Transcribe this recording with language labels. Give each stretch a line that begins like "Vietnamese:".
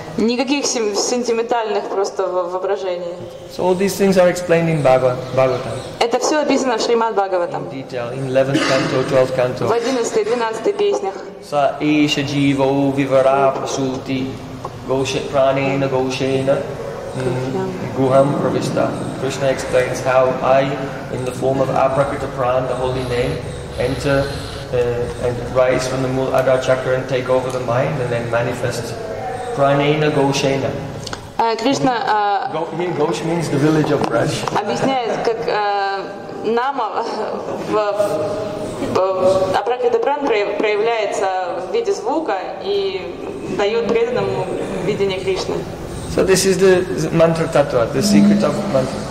Russian: Никаких сентиментальных просто воображений.
English: So all these things are explained in Bhagavatam.
Russian: Это все описано в Шримад Бхагаватам.
English: In detail, in 11th canto, 12th canto.
Russian: В 11-й, 12-й песнях.
Sanskrit: Са эйша дживо вивара прасути гоше пранена гошена. Guham Pravista.
English: Krishna explains how I, in the form of Aprakrita Prana, the holy name, enter and rise from the Mool Adhar Chakra and take over the mind and then manifest Pranena Goshena. Krishna. Gosh means the village of Raj.
Russian: Объясняет, как Нама в Aprakrita Prana проявляется в виде звука и дает преданному видение Кришны.
English: So this is the mantra tattva, the secret of mantra.